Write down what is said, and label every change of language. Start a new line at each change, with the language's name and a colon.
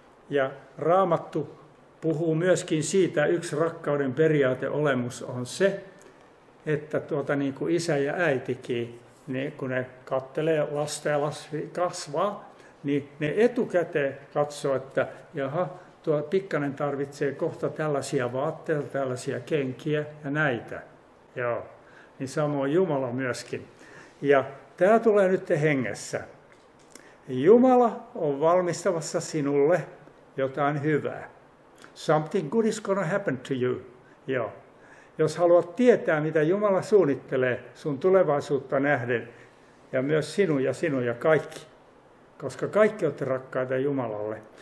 Finnish: Ja Raamattu puhuu myöskin siitä, yksi rakkauden periaateolemus on se, että niin kuin isä ja äitikin, niin kun ne kattelee lasta ja lasta kasvaa, niin ne etukäteen katsoo, että jaha, tuo pikkanen tarvitsee kohta tällaisia vaatteita, tällaisia kenkiä ja näitä. Joo. Niin samoin Jumala myöskin. Ja tämä tulee nyt hengessä. Jumala on valmistavassa sinulle jotain hyvää.
English: Something good is gonna happen to you.
Finnish: Joo. Jos haluat tietää, mitä Jumala suunnittelee sun tulevaisuutta nähden, ja myös sinun ja kaikki, koska kaikki olette rakkaita Jumalalle.